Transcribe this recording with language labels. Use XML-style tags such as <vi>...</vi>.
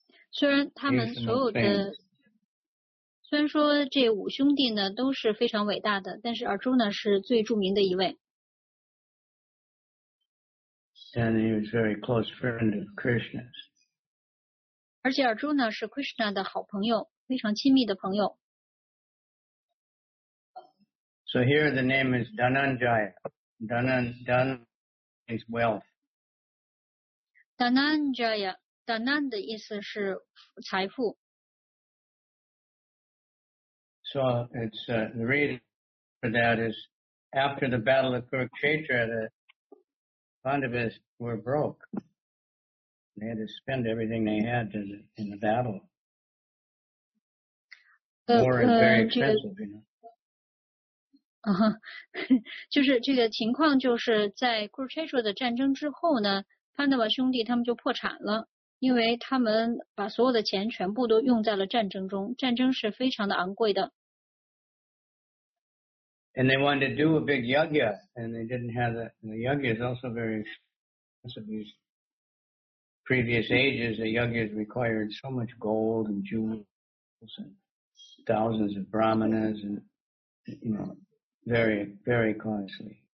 <zh>虽然他们所有的, 虽然说这五兄弟呢, 都是非常伟大的, 但是 Arjuna 是最著名的一位。</zh> <en>And he was a very close friend of Krishna's.</en> <zh>而且 Arjuna 是 Krishna 的好朋友, 非常亲密的朋友。</zh> <en>So here the name is Dhananjaya. Dhanan means wealth.</en> <zh>Dhananjaya, Dhanan 的意思是财富。</zh> <en>So it's the reason for that is after the battle of Kurukshetra, the Pandavas were broke. They had to spend everything they had in the battle. War is very expensive, you know.</en> <zh>就是这个情况就是在 Kurukshetra 的战争之后呢, 潘多巴兄弟他们就破产了,因为他们把所有的钱全部都用在了战争中, 战争是非常的昂贵的。</zh> <en>And they wanted to do a big yagya, and they didn't have that. And the yagya is also very expensive. These previous ages, the yagyas required so much gold and jewels and thousands of brahmanas and, you know, very, very costly.</en>